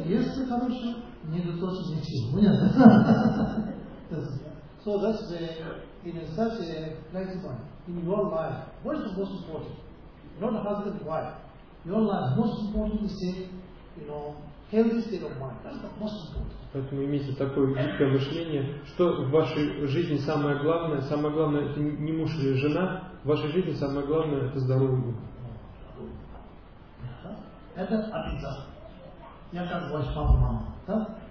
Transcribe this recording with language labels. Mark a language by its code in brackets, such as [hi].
[ru] Если хорошо, не дотошно ничего. Понятно? [en] So that's the in a such a flexible in your life, what is the most important? Not a husband, wife. Your life most important is a healthy state of mind. That's the most important. [ru] Поэтому имейте такое гибкое мышление, что в вашей жизни самое главное. Самое главное это не муж или жена. В вашей жизни самое главное это здоровье. Это обязательно. Я как ваш папа, мама, да?